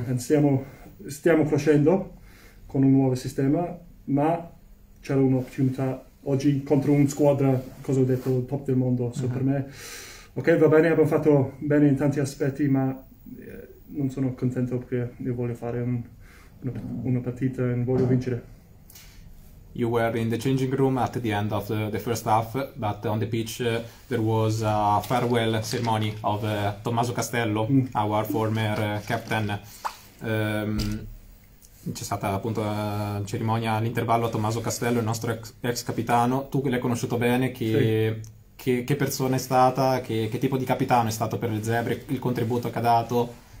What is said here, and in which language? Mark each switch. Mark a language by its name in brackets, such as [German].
[Italian] Stiamo crescendo con un nuovo sistema, ma c'era un'opportunità oggi contro una squadra, cosa ho detto, top del mondo. Per me, ok, va bene, abbiamo fatto bene in tanti aspetti, ma non sono contento perché io voglio fare una partita e voglio vincere. [English] You were in the changing room at the end of the first half, but on the pitch there was a farewell ceremony of Tommaso Castello, our former captain. [Italian] C'è stata appunto la cerimonia all'intervallo. Tommaso Castello, il nostro ex capitano, tu che l'hai conosciuto bene, che persona è stata, che tipo di capitano è stato per le Zebre, il contributo che ha dato?